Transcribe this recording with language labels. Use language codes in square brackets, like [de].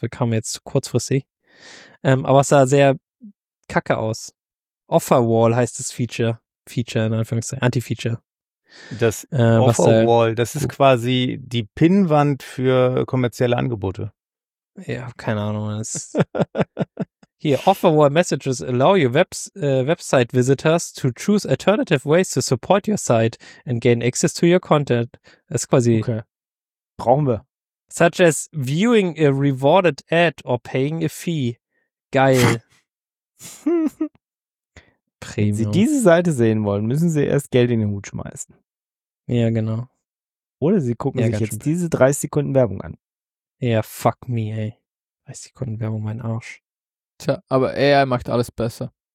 [de] Das kam jetzt kurzfristig. Aber es sah sehr kacke aus. Offerwall heißt das Feature. Feature in Anführungszeichen. Anti-Feature. Das Offerwall, das ist quasi die Pinnwand für kommerzielle Angebote. Ja, keine Ahnung. Das hier, [en] Offerwall Messages allow your website visitors to choose alternative ways to support your site and gain access to your content. [de] Das ist quasi... Okay. Brauchen wir. [en] Such as viewing a rewarded ad or paying a fee. [de] Geil. Premium. Wenn Sie diese Seite sehen wollen, müssen Sie erst Geld in den Hut schmeißen. Ja, genau. Oder Sie gucken sich jetzt diese 30 Sekunden Werbung an. Ja, fuck me, ey. 30 Sekunden Werbung, mein Arsch. Tja, aber AI macht alles besser.